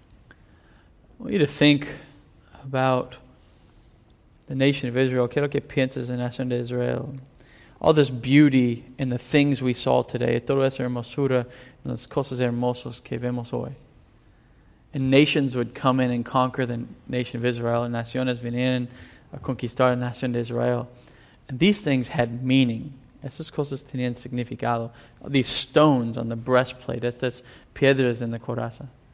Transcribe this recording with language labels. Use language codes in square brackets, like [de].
[en] I want you to think about the nation of Israel. [es] Quiero que pienses en la nación de Israel. [en] All this beauty in the things we saw today. [es] Toda esa hermosura en las cosas hermosas que vemos hoy. [en] And nations would come in and conquer the nation of Israel. [es] And naciones venían a conquistar la nación de Israel. [en] And these things had meaning. [es] Esas cosas tenían significado. [en] All these stones on the breastplate. [es] Estas piedras en la coraza.